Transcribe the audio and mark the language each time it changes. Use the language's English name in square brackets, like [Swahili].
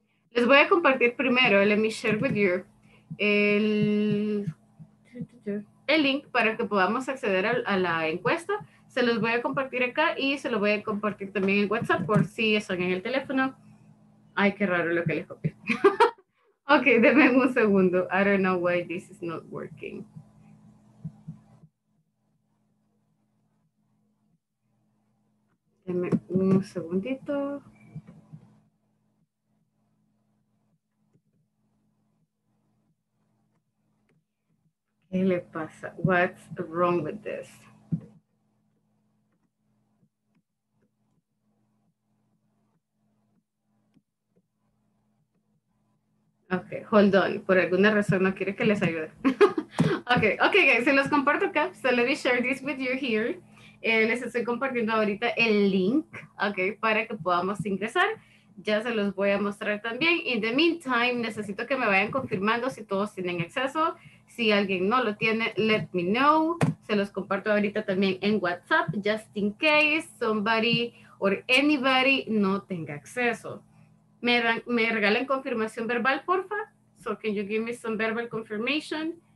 [Spanish] Les voy a compartir primero, [English] let me share with you, [Spanish] el link para que podamos acceder a la encuesta. Se los voy a compartir acá y se lo voy a compartir también en WhatsApp por si están en el teléfono. Ay, qué raro lo que les copié. Ok, denme un segundo. [English] I don't know why this is not working. [Spanish] Denme un segundito. ¿Qué le pasa? [English] What's wrong with this? Okay, hold on. [Spanish] Por alguna razón no quiere que les ayude. [English] Okay, guys, [Spanish] se los comparto acá. [English] So let me share this with you here. [Spanish] Les estoy compartiendo ahorita el link, okay, para que podamos ingresar. Ya se los voy a mostrar también. [English] In the meantime, [Spanish] necesito que me vayan confirmando si todos tienen acceso. Si alguien no lo tiene, [English] let me know. [Spanish] Se los comparto ahorita también en WhatsApp, [English] just in case somebody or anybody [Spanish] no tenga acceso. Me regalen confirmación verbal, porfa. [English] So can you give me some verbal confirmation?